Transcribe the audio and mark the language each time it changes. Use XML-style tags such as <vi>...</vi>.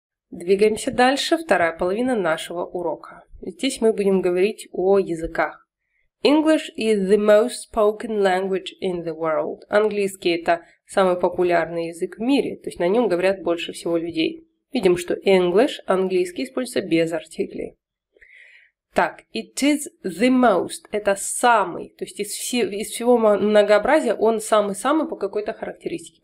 <ru>Двигаемся дальше, вторая половина нашего урока. Здесь мы будем говорить о языках.</ru> <en>English is the most spoken language in the world.</en> <ru>Английский – это самый популярный язык в мире, то есть на нем говорят больше всего людей. Видим, что English – английский используется без артиклей. Так,</ru> <en>it is the most</en> <ru>– это самый, то есть из всего многообразия он самый-самый по какой-то характеристике.</ru>